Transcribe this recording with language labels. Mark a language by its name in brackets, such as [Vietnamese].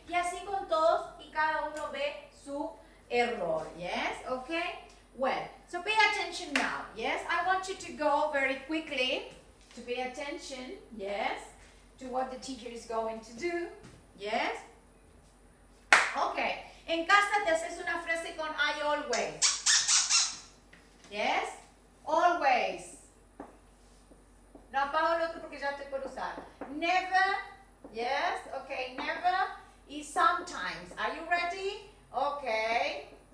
[Spanish] Y así con todos y cada uno ve su error. [English] Yes? Okay? Well, so pay attention now. Yes? I want you to go very quickly to pay attention. Yes? To what the teacher is going to do. Yes? Okay. [Spanish] En casa te haces una frase con [English] I always. Yes? Always. [Spanish] No apago el otro porque ya estoy por usar. [English] Never. Yes? Okay. Never is sometimes. Are you ready? Okay.